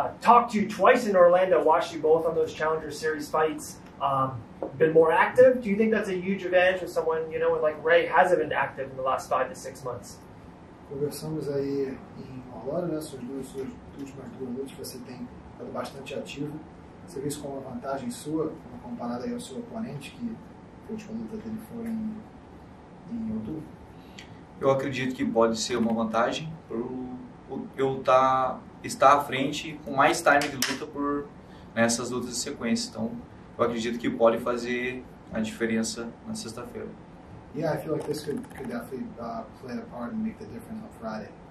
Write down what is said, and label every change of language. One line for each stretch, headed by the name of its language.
English: Talked to you twice in Orlando, watched you both on those Challenger Series fights. Been more active. Do you think that's a huge advantage with someone, you know, with like Ray hasn't been active in the last 5 to 6 months?
Portuguese: Conversamos aí em Orlando, né, suas últimas duas noites, você tem estado bastante ativo. Você vê isso como uma vantagem sua, comparada ao seu oponente, que a última luta dele foi em outubro? Eu acredito que pode ser uma vantagem para eu estar à frente com mais time de luta por nessas lutas de sequência. Então, eu acredito que pode fazer a diferença na sexta-feira.
English: Yeah, I feel like this could definitely play a part and make the difference on Friday.